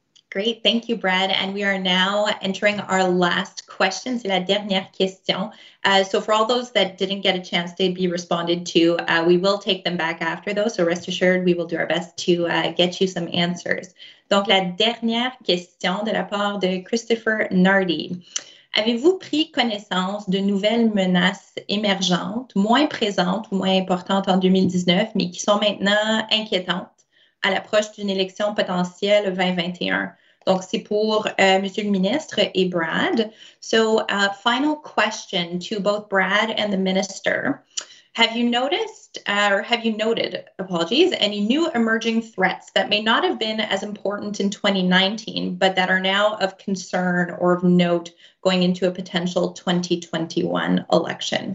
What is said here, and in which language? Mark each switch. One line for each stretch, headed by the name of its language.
English: Great. Thank you, Brad. And we are now entering our last question.
French: C'est la dernière question.
English: So for all those that didn't get a chance to be responded to, we will take them back after, though. So rest assured, we will do our best to get you some answers.
French: Donc, la dernière question de la part de Christopher Nardi. Avez-vous pris connaissance de nouvelles menaces émergentes, moins présentes ou moins importantes en 2019, mais qui sont maintenant inquiétantes à l'approche d'une élection potentielle 2021? Donc, c'est pour Monsieur le ministre et Brad.
English: So, final question to both Brad and the minister. Have you noticed, or have you noted, apologies, any new emerging threats that may not have been as important in 2019, but that are now of concern or of note going into a potential 2021 election?